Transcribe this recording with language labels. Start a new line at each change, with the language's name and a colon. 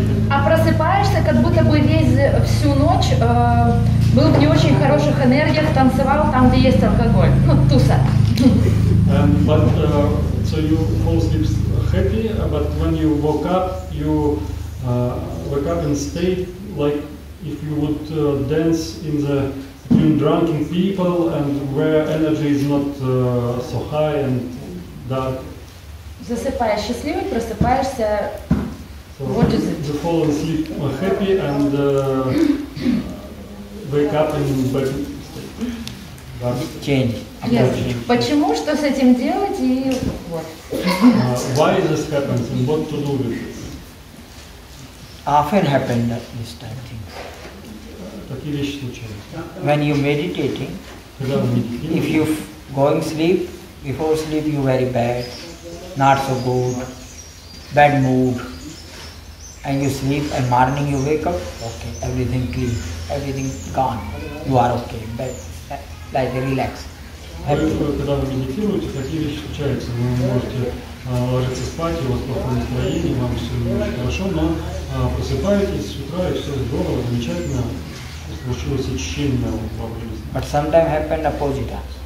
Russian: А просыпаешься, как будто бы весь всю ночь был в не очень хороших энергиях, танцевал там, где есть алкоголь. Ну, туса.
English: But so you fall asleep happy, but when you woke up, you wake up in state like if you would dance in the between drunken people and where energy is not so high and dark.
Russian: Засыпаешь счастливый, просыпаешься.
English: What is it? You fall asleep happy and wake up in bad state. Change. Yes.
Russian: Почему, что с этим делать и вот.
English: Why this happens and what to do with it? Often happen that this type of thing.
Russian: Такие вещи случаются.
English: When you meditating, if you going sleep, before sleep you very bad, not so good, bad mood. And you sleep and morning you wake up, okay, everything clean, everything gone, you are okay, but like relax.
Russian: Когда вы медитируете, такие вещи случаются. Вы можете ложиться спать, у вас плохое настроение, вам все очень хорошо, но просыпаетесь с утра и все здорово, замечательно, случилось очищение во время.
English: But sometimes happened opposite.